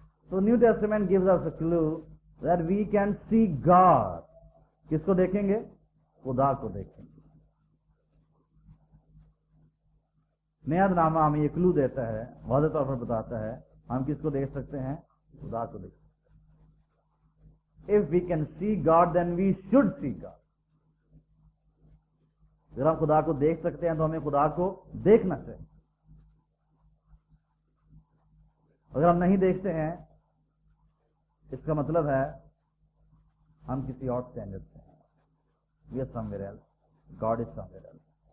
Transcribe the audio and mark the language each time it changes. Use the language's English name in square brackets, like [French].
[English] تو new testament gives us a clue that we can see God. [Urdu] کس کو دیکھیں گے؟ خدا کو دیکھیں گے. نیا نامہ ہمیں یہ کلو دیتا ہے, واضح طور پر بتاتا ہے ہم کس کو دیکھ سکتے ہیں؟ خدا کو دیکھ. [English] If we can see God, then we should see God. [Urdu] اگر ہم خدا کو دیکھ سکتے ہیں تو ہمیں خدا کو دیکھنا چاہیے. اگر ہم نہیں دیکھتے ہیں اس کا مطلب ہے ہم کسی اور اسٹینڈرڈ سے ہیں. [English] We are somewhere else. God is somewhere else.